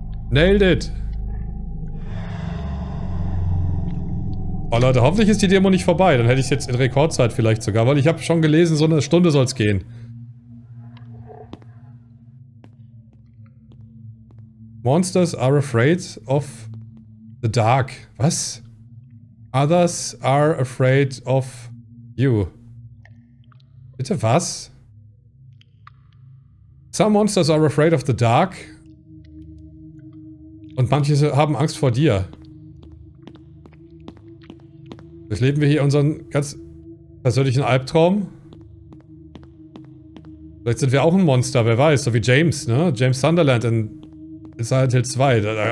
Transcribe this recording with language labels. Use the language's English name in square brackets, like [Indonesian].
[English] Nailed it. [German] Oh Leute, hoffentlich ist die Demo nicht vorbei. Dann hätte ich es jetzt in Rekordzeit vielleicht sogar, weil ich habe schon gelesen, so eine Stunde soll es gehen. [English] Monsters are afraid of the dark. [German] Was? [English] Others are afraid of you. [German] Bitte was? [English] Some monsters are afraid of the dark. [German] Und manche haben Angst vor dir. Jetzt leben wir hier unseren ganz persönlichen Albtraum. Vielleicht sind wir auch ein Monster, wer weiß. So wie James, ne? James Sunderland in Silent Hill 2.